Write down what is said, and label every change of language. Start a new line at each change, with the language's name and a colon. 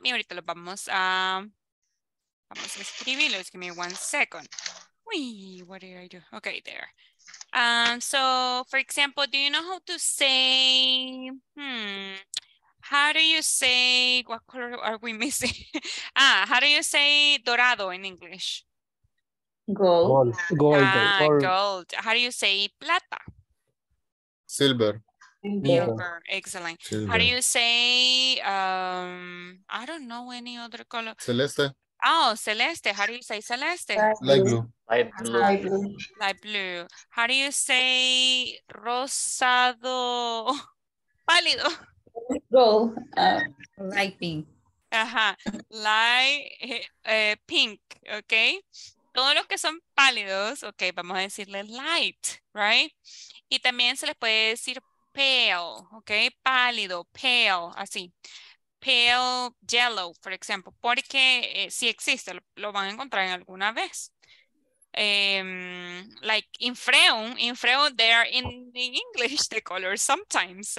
Spanish: Y ahorita los vamos a, vamos a escribirlos.
English: Give me one second. Uy, what did I do? Okay, there. So, for example, do you know how to say, how do you say, what color are we missing? Ah, how do you say dorado in English? Gold. How do you say plata? Silver. Silver. Excellent. Silver. How do you say, I don't know any other color. Celeste. Oh, celeste. How do you say celeste? Light blue. How do you say rosado? Pálido. Gold. Light pink. Light pink.
Spanish: Okay. Todos los que son pálidos, ok, vamos a decirle light, right? Y también se les puede decir pale, ok, pálido, pale, así.
English: Pale yellow,
Spanish: por ejemplo, porque si existe, lo van a encontrar en alguna vez.
English: Like in freon, they are in English, the color sometimes.